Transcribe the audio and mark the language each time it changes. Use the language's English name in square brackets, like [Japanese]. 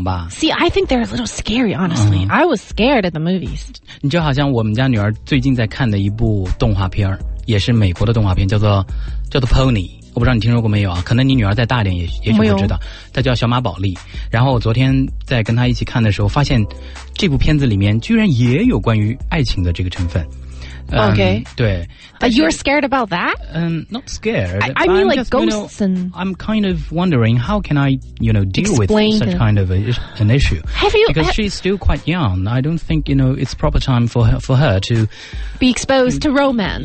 [English] See, I think they're a little scary, honestly. Uh-huh. I was scared at the movies. [Chinese] 你就好像我们家女儿最近在看的一部动画片，也是美国的动画片，叫做 Pony。我不知道你听说过没有啊？可能你女儿再大一点也许会知道，她叫小马宝莉。然后我昨天在跟她一起看的时候，发现这部片子里面居然也有关于爱情的这个成分。 [English] Okay. [Chinese] 对。 [English] You're scared about that? Not scared. I mean, like, ghosts, you know, I'm kind of wondering how can I, you know, deal with such kind of an issue. She's still quite young. I don't think, you know, it's proper time for her to... Be exposed to romance.